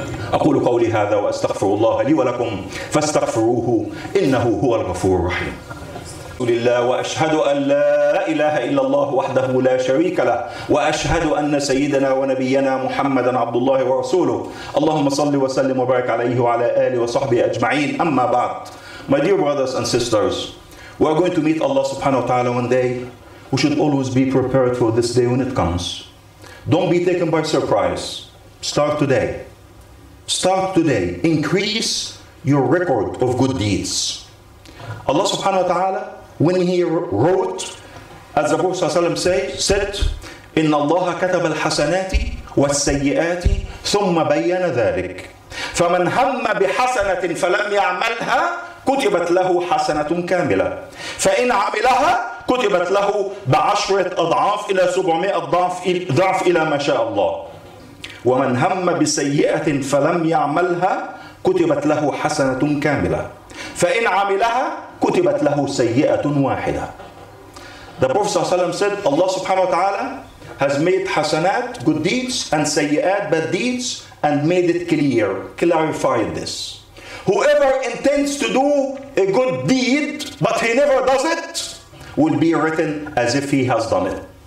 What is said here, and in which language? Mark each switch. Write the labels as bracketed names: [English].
[Arabic] أقول قولي هذا وأستغفر الله لي ولكم فاستغفروه إنه هو الغفور الرحيم. لله وأشهد أن لا إله إلا الله وحده لا شريك له وأشهد أن سيدنا ونبينا محمدا عبد الله ورسوله. اللهم صل وسلم وبارك عليه وعلى آله وصحبه أجمعين. أما بعد, [English] my dear brothers and sisters, we are going to meet Allah subhanahu wa ta'ala one day. We should always be prepared for this day when it comes. Don't be taken by surprise. Start today. Start today. Increase your record of good deeds. Allah subhanahu wa ta'ala, when He wrote, as the Prophet ﷺ said, [Arabic] إِنَّ اللَّهَ كَتَبَ الْحَسَنَاتِ وَالسَّيِّئَاتِ ثُمَّ بَيَّنَ ذَلِكَ. فمن هم بحسنة فلم يعملها كتبت له حسنة كاملة، فإن عملها كتبت له بعشرة أضعاف إلى 700 ضعف إلى ما شاء الله. ومن هم بسيئة فلم يعملها كتبت له حسنة كاملة، فإن عملها كتبت له سيئة واحدة. [English] The Prophet [Arabic] صلى الله عليه وسلم [English] said, Allah [Arabic] سبحانه وتعالى [English] has made حسنات, good deeds, and سيئات, bad deeds, and made it clear, clarified this. Whoever intends to do a good deed, but he never does it, will be written as if he has done it.